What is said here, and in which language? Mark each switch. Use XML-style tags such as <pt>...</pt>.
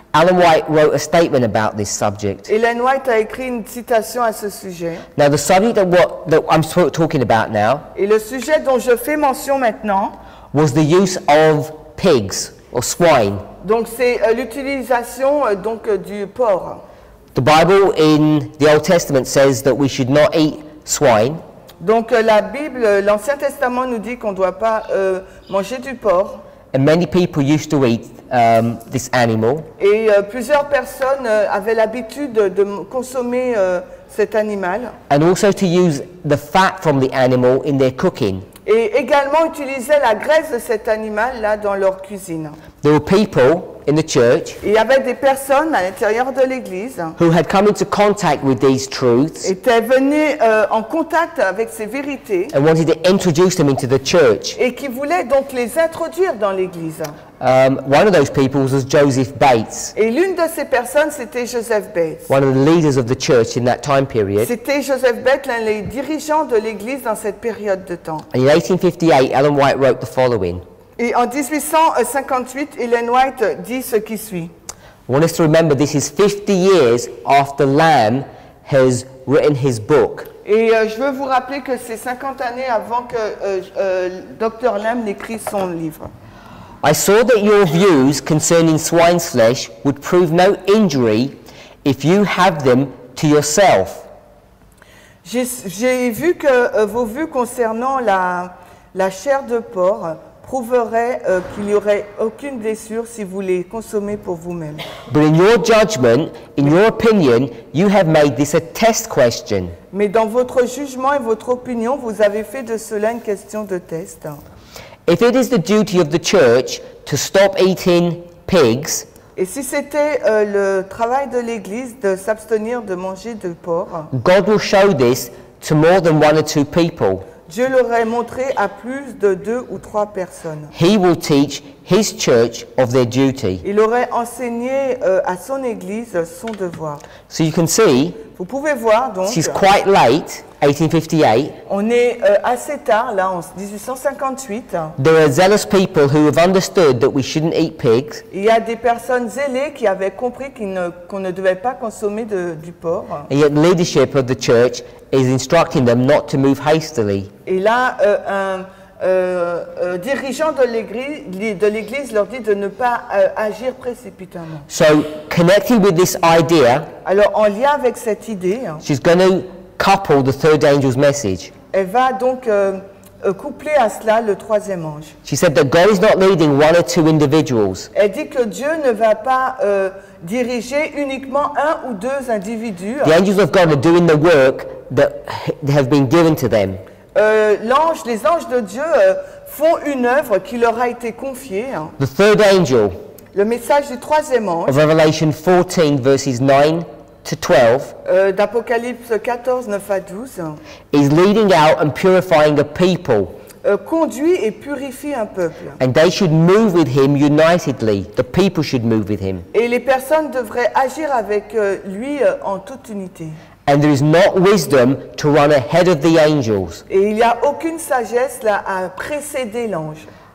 <en>Ellen White wrote a statement about this subject.</en> <fr>Ellen White a écrit une citation à ce sujet.</fr> <en>Now the subject that I'm talking about now</en> <fr>et le sujet dont je fais mention maintenant</fr> <en>was the use of pigs or swine.</en> <fr>Donc c'est l'utilisation donc du porc.</fr> <en>The Bible in the Old Testament says that we should not eat swine.</en> <fr>Donc la Bible, l'Ancien Testament nous dit qu'on ne doit pas manger du porc.</fr> <en>And many people used to eat this animal.</en> <fr>Et plusieurs personnes avaient l'habitude de consommer cet animal.</fr> <en>And also to use the fat from the animal in their cooking.</en> <fr>Et également utilisaient la graisse de cet animal là dans leur cuisine.</fr> <en>There were people in the church.</en> <fr>Il y avait des personnes à l'intérieur de l'église.</fr> <en>Who had come into contact with these truths.</en> <fr>Étaient venus en contact avec ces vérités.</fr> <en>And wanted to introduce them into the church.</en> <fr>Et qui voulaient donc les introduire dans l'église.</fr> <en>One of those people was Joseph Bates.</en> <fr>Et l'une de ces personnes c'était Joseph Bates.</fr> <en>One of the leaders of the church in that time period.</en> <fr>C'était Joseph Bates, l'un des dirigeants de l'église dans cette période de temps.</fr> <en>And in 1858, Ellen White wrote the following.</en> <fr>Et en 1858, Ellen White dit ce qui suit.</fr> <en>I want us to remember this is 50 years after Lamb has written his book.</en> <fr>Et je veux vous rappeler que c'est 50 années avant que Dr. Lamb n'écrit son livre.</fr> <en>I saw that your views concerning swine's flesh would prove no injury if you have them to yourself.</en> <fr>J'ai vu que vos vues concernant la chair de porc prouverait qu'il n'y aurait aucune blessure si vous les consommez pour vous-même.</fr> <en>But in your judgment, in your opinion, you have made this a test question.</en> <fr>Mais dans votre jugement et votre opinion, vous avez fait de cela une question de test.</fr> <en>If it is the duty of the church to stop eating pigs,</en> <fr>et si c'était le travail de l'église de s'abstenir de manger du porc,</fr> <en>God will show this to more than one or two people.</en> <fr>Dieu l'aurait montré à plus de deux ou trois personnes.</fr> <en>He will teach his church of their duty.</en> <fr>Il aurait enseigné à son église son devoir.</fr> <en>So you can see,</en> <fr>vous pouvez voir donc,</fr> <en>she's quite late, 1858.</en> <fr>On est assez tard là, en 1858.</fr> <en>There are zealous people who have understood that we shouldn't eat pigs.</en> <fr>Il y a des personnes zélées qui avaient compris qu'on ne devait pas consommer du porc.</fr> <en>And yet the leadership of the church is instructing them not to move hastily.</en> <fr>Et là, un, dirigeant de l'église leur dit de ne pas agir précipitamment.</fr> <en>So, connecting with this idea,</en> <fr>alors en lien avec cette idée,</fr> <en>she's going to couple the third angel's message.</en> <fr>Elle va donc coupler à cela le troisième ange.</fr> <en>She said that God is not leading one or two individuals.</en> <fr>Elle dit que Dieu ne va pas diriger uniquement un ou deux individus.</fr> <en>The angels of God are doing the work that have been given to them.</en> <fr>Les anges de Dieu font une œuvre qui leur a été confiée. Hein.</fr> <en>The third angel.</en> <fr>Le message du troisième ange.</fr> <en>Of Revelation 14 verses 9 to 12.</en> <fr>D'Apocalypse 14, 9 à 12.</fr> <en>Is leading out and purifying a people.</en> <fr>Conduit et purifie un peuple.</fr> <en>And they should move with him unitedly. The people should move with him.</en> <fr>Et les personnes devraient agir avec lui en toute unité.</fr> <en>And there is not wisdom to run ahead of the angels.</en> <fr>Et il y a aucune sagesse là à précéder l'ange.</fr>